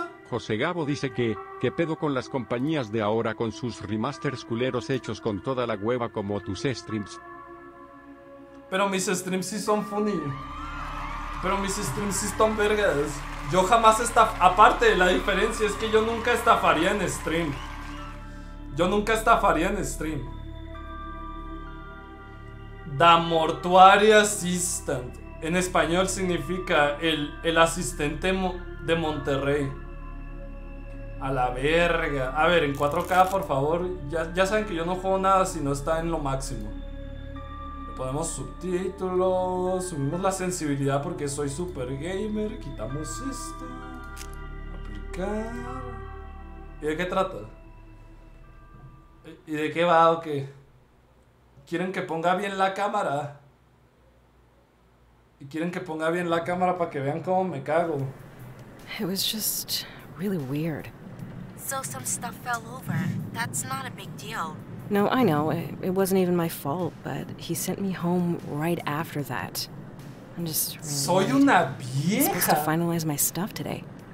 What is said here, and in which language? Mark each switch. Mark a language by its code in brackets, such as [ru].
[es] José Gabo dice que, ¿qué pedo con las compañías de ahora con sus remasters culeros hechos con toda la hueva como tus streams? Pero mis streams sí son funny. Pero mis streams sí están vergas. Yo jamás estaf... Aparte, la diferencia es que yo nunca estafaría en stream. Yo nunca estafaría en stream. [en] The Mortuary Assistant. [es] En español significa el asistente de Monterrey. A la verga. A ver, en 4K, por favor. Ya saben que yo no juego nada si no está en lo máximo. Ponemos subtítulos, subimos la sensibilidad porque soy super gamer, quitamos esto, aplicar. ¿Y de qué trata? ¿Y de qué va o qué? ¿Quieren que ponga bien la cámara? ¿Y quieren que ponga bien la cámara para que vean cómo me cago? [en] It was just really weird. So some stuff fell over. That's not a big deal. No, I know. It wasn't even my fault, but he sent me home right after that. I'm just really [es] Soy [en] late. [es] Una vieja. [en] I'm supposed to finalize my stuff today.